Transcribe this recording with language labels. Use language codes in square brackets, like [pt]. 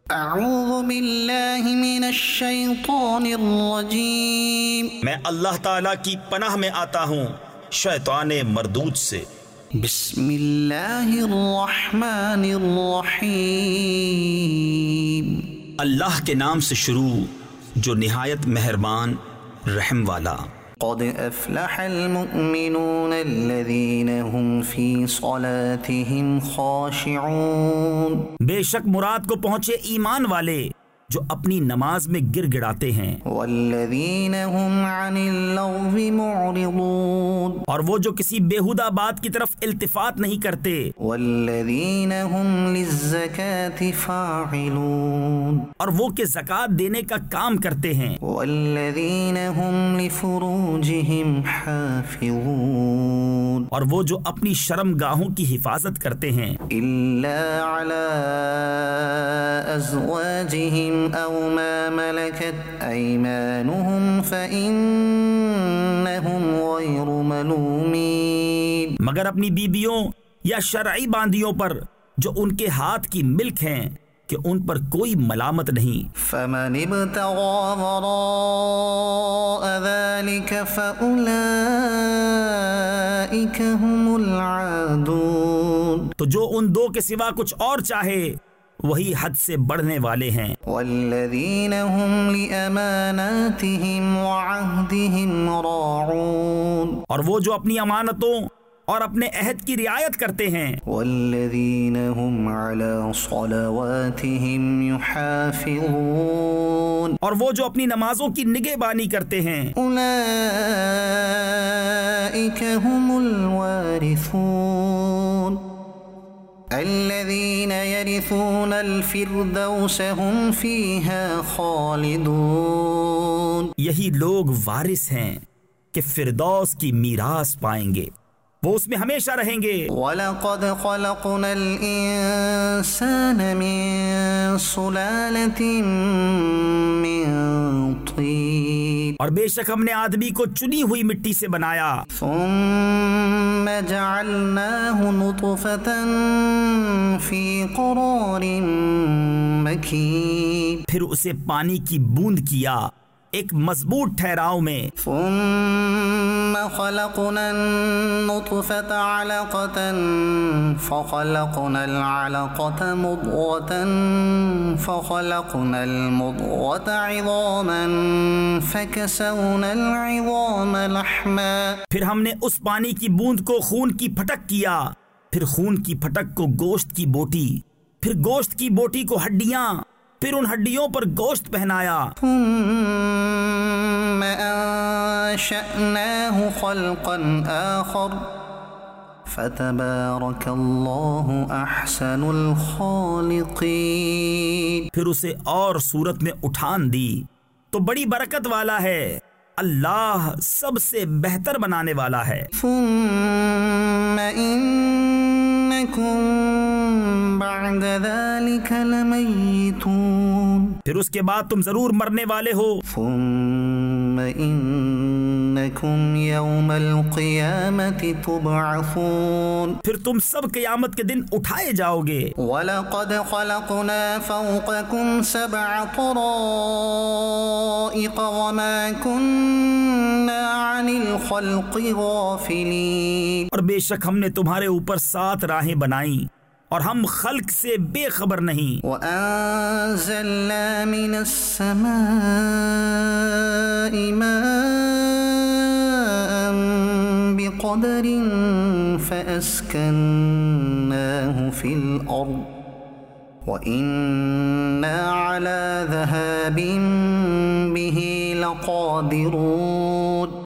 [ar] اعوذ بالله من الشيطان الرجيم [ur] میں اللہ تعالی کی پناہ میں آتا ہوں شیطان مردود سے [ar] بسم اللہ الرحمن الرحیم [ur] اللہ کے نام سے شروع جو نہایت مہربان رحم والا [ar] قَدْ أَفْلَحَ الْمُؤْمِنُونَ الَّذِينَ هُمْ فِي صَلَاتِهِمْ خَاشِعُونَ [ur] بے شک مراد کو پہنچے ایمان والے جو اپنی نماز میں گر گڑاتے ہیں [ar] وَالَّذِينَ هُمْ عَنِ اللَّغْوِ مُعْرِضُونَ [ur] اور وہ جو کسی بےہودہ بات کی طرف التفات نہیں کرتے [ar] وَالَّذِينَ هُمْ لِلزَّكَاةِ فَاعِلُونَ [ur] اور وہ کہ زکات دینے کا کام کرتے ہیں [ar] وَالَّذِينَ هُمْ لِفُرُوجِهِمْ حَافِظُونَ [ur] اور وہ جو اپنی شرم گاہوں کی حفاظت کرتے ہیں [ar] إِلَّا عَلَىٰ أَزْوَاجِهِمْ أو ما ملكت أيمانهم فإنهم غير ملومين [ur] مگر اپنی بیویوں یا شرعی باندھیوں پر جو ان کے ہاتھ کی ملک ہیں کہ ان پر کوئی ملامت نہیں [ar] فمن ابتغى وراء ذلك فأولئك هم العادون [ur] تو جو ان دو کے سوا کچھ اور چاہے وہی حد سے بڑھنے والے ہیں [ar] والذین هم لأماناتهم وعهدهم راعون [ur] اور وہ جو اپنی امانتوں اور اپنے عہد کی رعایت کرتے ہیں [ar] والذین هم على صلواتهم يحافظون [ur] اور وہ جو اپنی نمازوں کی نگہبانی کرتے ہیں [ar] اولئك هم الوارثون الذين يرثون الفردوس هم فيها خالدون [ur] یہی لوگ وارث ہیں کہ فردوس کی میراث پائیں گے وہ اس میں ہمیشہ رہیں گے [ar] وَلَقَدْ خَلَقْنَا الْإِنسَانَ مِن سُلَالَةٍ مِن طِين [ur] اور بے شک ہم نے آدمی کو چنی ہوئی مٹی سے بنایا [ar] ثُمَّ جَعَلْنَاهُ نُطْفَةً فِي قَرَارٍ مَكِينٍ [ur] پھر اسے پانی کی بوند کیا ایک مضبوط ٹھہراؤ میں. [ar] ثم خلقنا النطفة علقة فخلقنا العلقة مضغة فخلقنا المضغة عظاما فكسونا العظام لحما. [ur] پھر ہم نے اس پانی کی بوند کو خون کی پھٹک کیا, پھر خون کی پھٹک کو گوشت کی بوٹی, پھر گوشت کی بوٹی کو ہڈیاں, پھر ان ہڈیوں پر گوشت پہنایا. [ar] ثم انشأناه خلقا آخر فتبارك الله احسن الخالقين. [ur] پھر اسے اور صورت میں اٹھان دی تو بڑی برکت والا ہے, اللہ سب سے بہتر بنانے والا ہے. [ar] ثم انکم بعد ذلك لمیتون. [ur] پھر اس کے بعد تم ضرور مرنے والے ہو. [ar] ثم انکم یوم القیامة تبعثون. [ur] پھر تم سب قیامت کے دن اٹھائے جاؤ گے. [ar] ولقد خلقنا فوقکم سبع طرائق وما کننا عن الخلق غافلین. [ur] اور بے شک ہم نے تمہارے اوپر سات راہیں بنائیں اور ہم خلق سے بے خبر نہیں. [ar] وَأَنزَلْنَا مِنَ السَّمَاءِ مَاءً بِقَدَرٍ فَأَسْكَنَّاهُ فِي الْأَرْضِ وَإِنَّا عَلَى ذَهَابٍ بِهِ لَقَادِرُونَ.